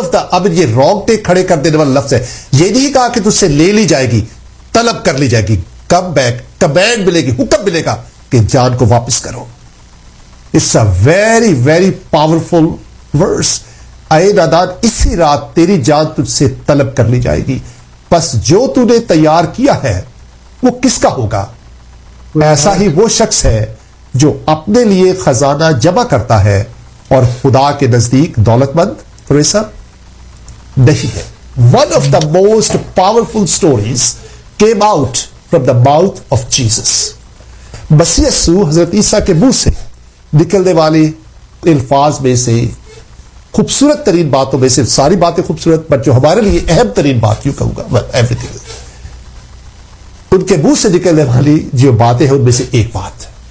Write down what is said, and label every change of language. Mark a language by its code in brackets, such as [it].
[ur] اب یہ رونگٹے کھڑے کر دینے والا لفظ ہے. یہ نہیں کہا کہ تجھ سے لے لی جائے گی, طلب کر لی جائے گی. [en] come back, [ur] کمینڈ ملے گی, حکم ملے گا کہ جان کو واپس کرو. [en] It's a very very powerful verse. [ur] اے نادان, اسی رات تیری جان تجھ سے طلب کر لی جائے گی, بس جو تُو نے تیار کیا ہے وہ کس کا ہوگا؟ ایسا ہی وہ شخص ہے جو اپنے لیے خزانہ جمع کرتا ہے اور خدا کے نزدیک دولت مند نہیں ہے. [en] One of the most powerful stories came out from the mouth of Jesus. [ur] مسیح یسوع حضرت عیسیٰ کے منہ سے نکلنے والے الفاظ میں سے, خوبصورت ترین باتوں میں سے, ساری باتیں خوبصورت بٹ جو ہمارے لیے اہم ترین بات, یوں کہوں گا, ان کے منہ سے نکلنے والی جو باتیں ہیں ان میں سے ایک بات.